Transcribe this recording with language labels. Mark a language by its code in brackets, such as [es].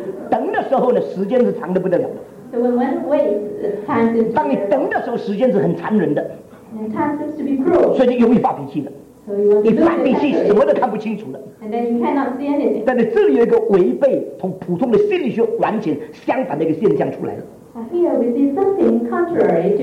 [zh] 等的时候呢，时间是长得不得了的。 [en] So when one waits, time seems to be. [zh] 当你等的时候，时间是很残忍的。 [en] And time seems to be cruel. [zh] 所以就容易发脾气的。 [en] So you want to lose your temper. [zh] 什么都看不清楚的。 [en] And then you cannot see anything. [zh] 但是这里有一个违背同普通的心理学完全相反的一个现象出来了。 [en] Here we see something contrary to.